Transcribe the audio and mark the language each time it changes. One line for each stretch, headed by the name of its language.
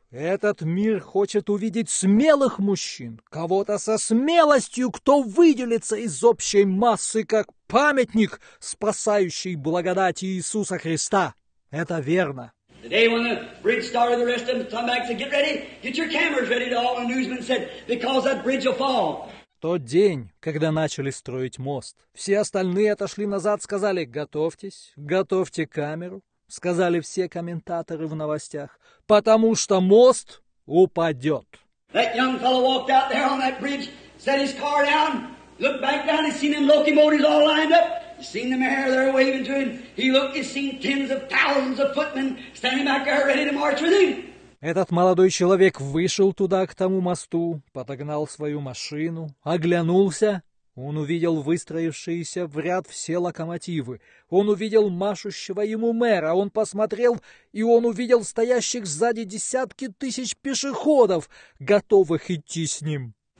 Russian: Этот мир хочет увидеть смелых мужчин, кого-то со смелостью, кто выделится из общей массы, как памятник, спасающий благодати Иисуса Христа. Это верно.
English: The day when the bridge started, the rest of them come back and said, get ready, get your cameras ready, to all the newsmen said, because that bridge will fall.
Russian: Тот день, когда начали строить мост, все остальные отошли назад, сказали, готовьтесь, готовьте камеру. Сказали все комментаторы в новостях, потому что мост упадет.
English: That young fellow walked out there on that bridge, set his car down, looked back down, he seen them locomotives all lined up, seen the mayor there waving to him. He looked and seen tens of thousands of footmen standing back there ready to march with him.
Russian: Этот молодой человек вышел туда, к тому мосту, подогнал свою машину, оглянулся. Он увидел выстроившиеся в ряд все локомотивы. Он увидел машущего ему мэра. Он посмотрел, и он увидел стоящих сзади десятки тысяч пешеходов, готовых идти с ним.